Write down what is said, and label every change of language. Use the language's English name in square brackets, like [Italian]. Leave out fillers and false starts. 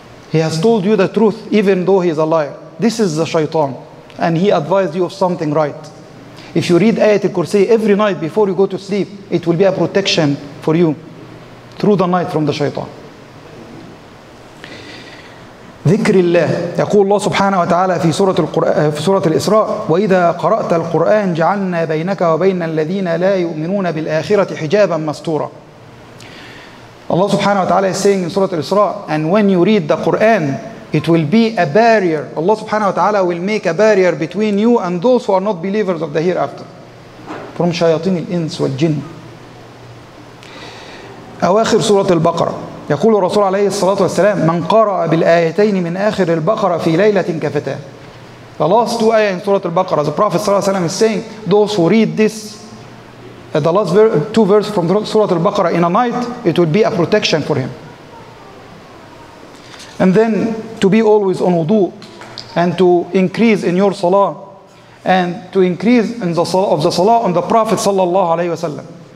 [English] He has told you the truth even though he is a liar. This is the shaitan. And he advised you of something right. If you read Ayat al-Kursi every night before you go to sleep, it will be a protection for you through the night from the shaitan. [Arabic] ذكر الله. يقول الله سبحانه وتعالى في سورة القرآن في سورة الإسراء: وإذا قرأت القرآن جعلنا بينك وبين الذين لا يؤمنون بالآخرة حجابا مستورا. [English] Allah subhanahu wa ta'ala is saying in Surah al-Isra, and when you read the Quran, It will be a barrier. Allah subhanahu wa ta'ala will make a barrier between you and those who are not believers of the hereafter. From shayateen al-ins wal-jinn. [Arabic] أواخر سورة البقرة يقول الرسول عليه الصلاة والسلام من قرأ بالآيتين من آخر البقرة في ليلة كفتاه. [English] The last two ayah in Surah Al-Baqarah, the Prophet صلى الله عليه وسلم is saying, those who read this, the last two verses from Surah Al-Baqarah in a night, it will be a protection for him. And then to be always on wudu and to increase in your salah and to increase in the salah of the salah on the Prophet صلى الله عليه وسلم.